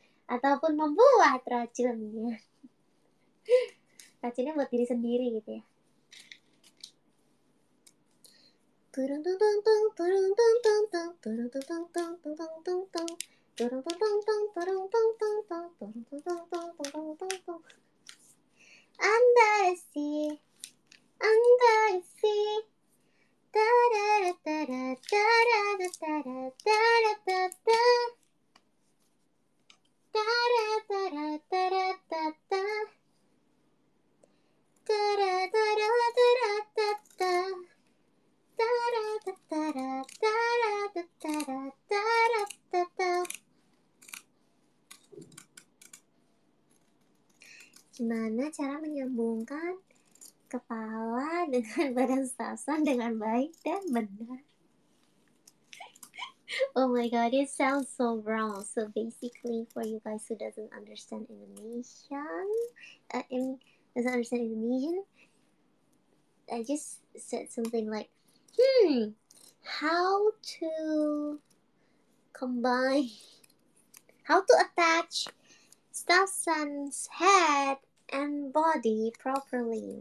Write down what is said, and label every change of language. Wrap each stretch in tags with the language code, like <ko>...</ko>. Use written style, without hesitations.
<id>Ataupun membuat racunnya. Racunnya buat diri sendiri gitu ya. Turung tung tung tung turung tung tung tung turung tung tung tung tung tung tung tung. Tung tung tung tung tung tung tung tung tung tung tung tung tung tung tung tung. Andai si, andai si. Tararatara, tararatara, tararatata. Tararatara, tararatata. Tararatara, tararatata. Tararatara, tararatara, tararatata. Gimana cara menyambungkan kepala dengan badan stasan dengan baik dan benar?</id> <en>Oh my god, it sounds so wrong. So basically, for you guys who doesn't understand Indonesian, doesn't understand Indonesian, I just said something like, how to combine, how to attach stasan's head and body properly.</en>